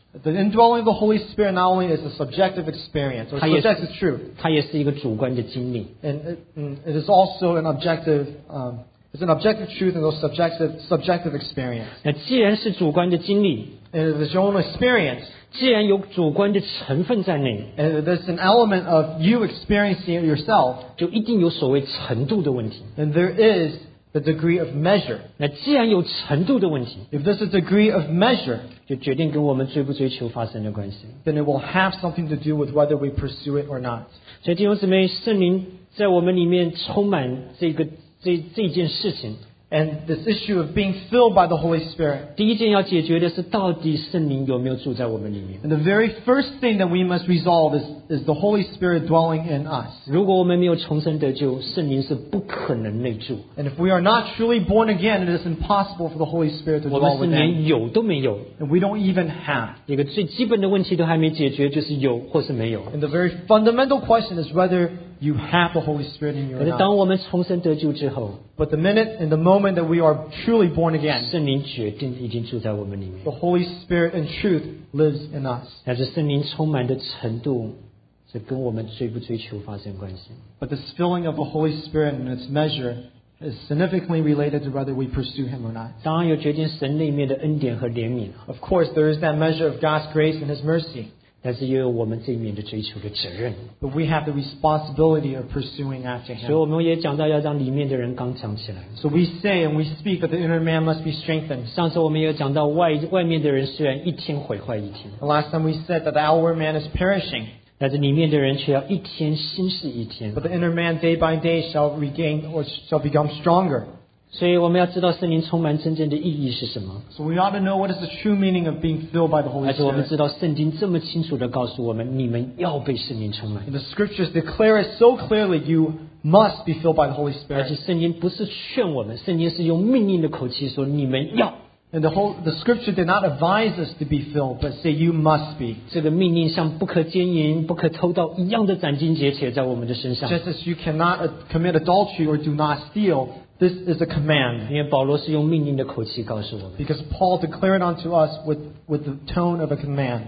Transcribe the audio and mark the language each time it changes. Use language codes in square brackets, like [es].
[en] The indwelling of the Holy Spirit not only is a subjective experience, or subjective truth. [zh] 它也是一个主观的经历。 [en] And it is also an objective, it's an objective truth and a subjective experience. [zh] 那既然是主观的经历 [en] and it is your own experience. [zh] 既然有主观的成分在内 [en] and there's an element of you experiencing it yourself. [zh] 就一定有所谓程度的问题。 [en] And there is the degree of measure. [zh] 那既然有程度的问题 [en] if there's a degree of measure, [zh] 就决定跟我们追不追求发生的关系。 [en] Then it will have something to do with whether we pursue it or not. [zh] 所以弟兄姊妹，圣灵在我们里面充满这件事情。 [en] And this issue of being filled by the Holy Spirit. [zh] 第一件要解决的是，到底圣灵有没有住在我们里面。 [en] And the very first thing that we must resolve is the Holy Spirit dwelling in us. [zh] 如果我们没有重生得救，圣灵是不可能内住。 [en] And if we are not truly born again, it is impossible for the Holy Spirit to dwell within. [zh] 我们是连有都没有。 [en] And we don't even have. [zh] 一个最基本的问题都还没解决，就是有或是没有。 [en] And the very fundamental question is whether. You have the Holy Spirit in you. [zh] 可是当我们重生得救之后 [en] ，But the minute and the moment that we are truly born again, [zh] 圣灵决定已经住在我们里面。 [en] The Holy Spirit in truth lives in us. [zh] 但是圣灵充满的程度，是跟我们追不追求发生关系。 [en] But the filling of the Holy Spirit and its measure is significantly related to whether we pursue Him or not. [zh] 当然有决定神里面的恩典和怜悯。 [en] Of course, there is that measure of God's grace and His mercy. [zh] 但是也有我们这一面的追求的责任。 [en] But we have the responsibility of pursuing after Him. [zh] 所以我们也讲到要让里面的人刚强起来。 [en] So we say and we speak that the inner man must be strengthened. [zh] 上次我们也讲到外面的人虽然一天毁坏一天。 [en] The last time we said that the outward man is perishing. [zh] 但是里面的人却要一天新是一天。 [en] But the inner man day by day shall regain or shall become stronger. [zh] 所以我们要知道圣灵充满真正的意义是什么。 [en] So we ought to know what is the true meaning of being filled by the Holy Spirit. [zh] 而且我们知道圣经这么清楚地告诉我们，你们要被圣灵充满。 [en] And the scriptures declare it so clearly, you must be filled by the Holy Spirit. [zh] 而且圣经不是劝我们，圣经是用命令的口气说你们要。 [en] And the scripture did not advise us to be filled, but say you must be. [zh] 这个命令像不可奸淫、不可偷盗一样的斩钉截铁在我们的身上。 [en] Just as you cannot commit adultery or do not steal. This is a command. Because Paul declared unto us with the tone of a command.